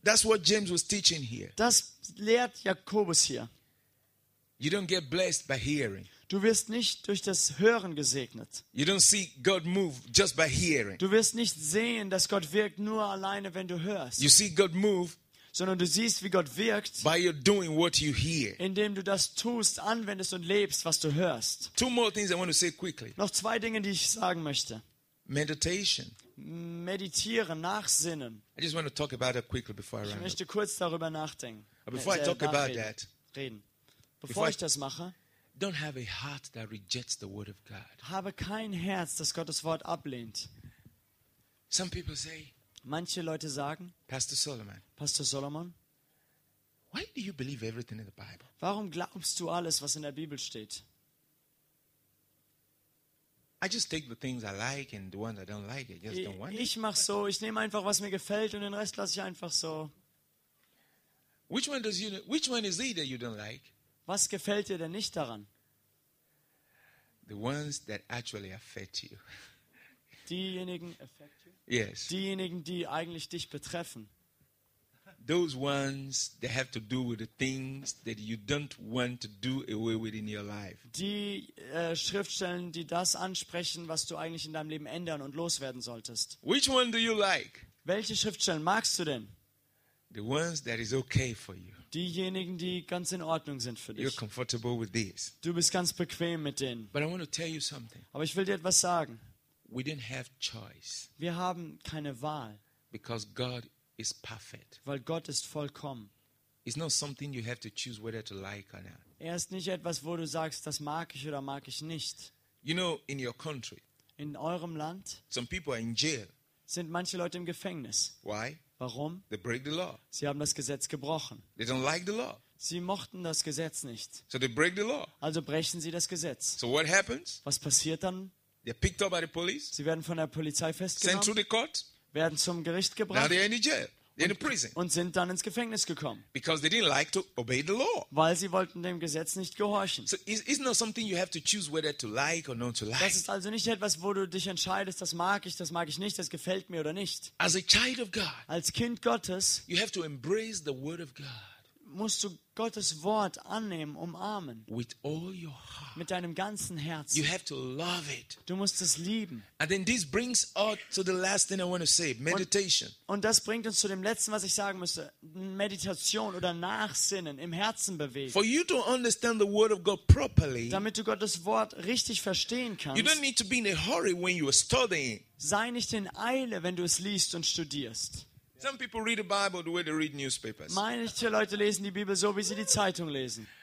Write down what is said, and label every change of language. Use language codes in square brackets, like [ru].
[en] That's what James was teaching here. [de] Das lehrt Jakobus hier. [en] You don't get blessed by hearing. [de] Du wirst nicht durch das Hören gesegnet. [en] You don't see God move just by hearing. [de] Du wirst nicht sehen, dass Gott wirkt nur alleine, wenn du hörst. [en] You see God move. [de] Sondern du siehst, wie Gott wirkt, [en] by your doing what you hear. [de] Indem du das tust, anwendest und lebst, was du hörst. [en] Two more things I want to say quickly. [de] Noch zwei Dinge, die ich sagen möchte. [en] Meditation. [de] Meditieren, nachsinnen. [en] I just want to talk about that quickly before I [de] ich [en] run [de] möchte [en] up. [de] Kurz darüber nachdenken. [en] But before I talk about that, [de] reden. Bevor ich das mache, [en] Don't have a heart that rejects the word of God. [de] Habe kein Herz, das Gottes Wort ablehnt. [en] Some people say, [de] manche Leute sagen, [en] Pastor Solomon, why do you believe everything in the Bible? [de] Warum glaubst du alles, was in der Bibel steht? [en] I just take the things I like and the ones I don't like, I just don't want it. [de] Ich mach so, ich nehme einfach, was mir gefällt und den Rest lasse ich einfach so. [en] Which one is it that you don't like? [de] Was gefällt dir denn nicht daran? [en] The ones that actually affect you. [de] Diejenigen, [en] affect you? Yes. [de] Diejenigen, die eigentlich dich betreffen. [en] Those ones that have to do with the things that you don't want to do away with in your life. [de] Die Schriftstellen, die das ansprechen, was du eigentlich in deinem Leben ändern und loswerden solltest. [en] Which one do you like? [de] Welche Schriftstellen magst du denn? [en] The ones that is okay for you. [de] Diejenigen, die ganz in Ordnung sind für dich. [en] You're comfortable with this. [de] Du bist ganz bequem mit denen. [en] But I want to tell you something. [de] Aber ich will dir etwas sagen. [en] We didn't have choice. [de] Wir haben keine Wahl. [en] Because God is perfect. [de] Weil Gott ist vollkommen. [en] It's not something you have to choose whether to like or not. [de] Er ist nicht etwas, wo du sagst, das mag ich oder mag ich nicht. [en] You know, in your country. [de] In eurem Land. [en] Some people are in jail. [de] Sind manche Leute im Gefängnis. [en] Why? [de] Warum? [en] They break the law. [de] Sie haben das Gesetz gebrochen. [en] They don't like the law. [de] Sie mochten das Gesetz nicht. [en] So they break the law. [de] Also brechen sie das Gesetz. [en] So what happens? [de] Was passiert dann? [en] They're picked up by the police. [de] Sie werden von der Polizei festgenommen. [en] Sent to the court. [de] Werden zum Gericht gebracht. [en] Now they're in jail. They're in prison. [de] Und sind dann ins Gefängnis gekommen. [en] Because they didn't like to obey the law. [de] Weil sie wollten dem Gesetz nicht gehorchen. [en] So it's not something you have to choose whether to like or not to like. [de] Das ist also nicht etwas, wo du dich entscheidest, das mag ich nicht, das gefällt mir oder nicht. [en] As a child of God. [de] Als Kind Gottes. [en] You have to embrace the word of God. [de] Musst du Gottes Wort annehmen, umarmen. [en] With all your heart. [de] Mit deinem ganzen Herzen. [en] You have to love it. [de] Du musst es lieben. [en] And then this brings us to the last thing I want to say, meditation. [de] Und das bringt uns zu dem letzten, was ich sagen müsste, Meditation oder Nachsinnen im Herzen bewegen. [en] For you to understand the word of God properly. [de] Damit du Gottes Wort richtig verstehen kannst. [en] You don't need to be in a hurry when you are studying. [de] Sei nicht in Eile, wenn du es liest und studierst. [en] Some people read the Bible the way they read newspapers. [de] Manche Leute lesen die Bibel so, wie sie die Zeitung lesen.